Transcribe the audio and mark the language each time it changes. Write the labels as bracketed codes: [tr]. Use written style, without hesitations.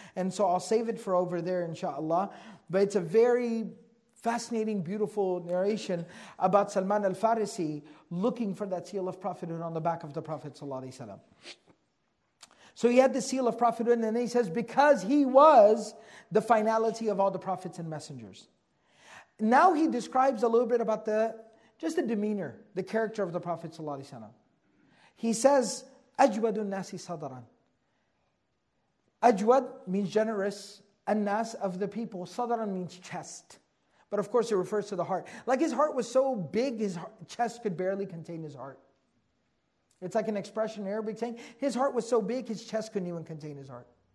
[en] And so I'll save it for over there inshallah. But it's a very fascinating, beautiful narration about Salman al-Farisi looking for that seal of prophethood on the back of the Prophet sallallahu alaihi wasallam. So he had the seal of prophethood, and then he says, because he was the finality of all the prophets and messengers. Now he describes a little bit about just the demeanor, the character of the Prophet sallallahu alaihi wasallam. [ar] He says, أَجْوَدُ النَّاسِ صَدَرًا. [en] أَجْوَد means generous, النَّاس of the people, صَدَرًا means chest. But of course it refers to the heart. Like his heart was so big, his chest could barely contain his heart. It's like an expression in Arabic saying, his heart was so big, his chest couldn't even contain his heart.